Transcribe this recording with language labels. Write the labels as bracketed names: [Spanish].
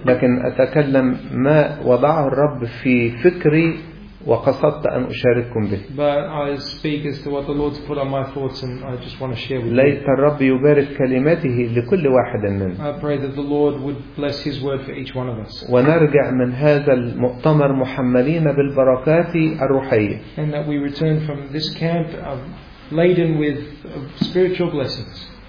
[Arabic] لكن أتكلم ما وضعه الرب في فكري وقصدت أن أشارككم به. [English] But I speak as to what the Lord's put on my thoughts, and I just want to share with you. [Arabic] ليت الرب يبارك كلماته لكل واحد منا. [English] I pray that the Lord would bless His word for each one of us. [Arabic] ونرجع من هذا المؤتمر محملين بالبركات الروحية. [English] And that we return from this camp laden with spiritual blessings.